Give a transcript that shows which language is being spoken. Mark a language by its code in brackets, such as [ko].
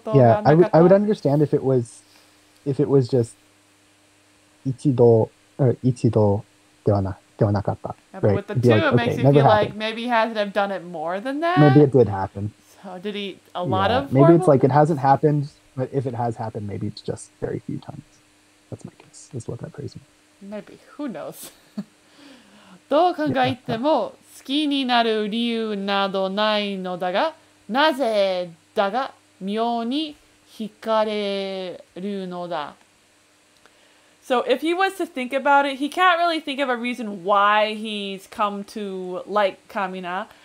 [en] yeah, I would understand if it was just [ja] ichido ではなではなかった。 [en] Yeah, but with the two, like, it makes me feel like maybe he hasn't have done it more than that. Maybe it did happen. So did he a lot of? Maybe it's like it hasn't happened, but if it has happened, maybe it's just very few times. That's my guess. That's what that praise means. Maybe. Who knows? [ja] どう考えても好きになる理由などないのだが、なぜだが妙に惹かれるのだ。 [en] So if he was to think about it, he can't really think of a reason why he's come to like Kamina.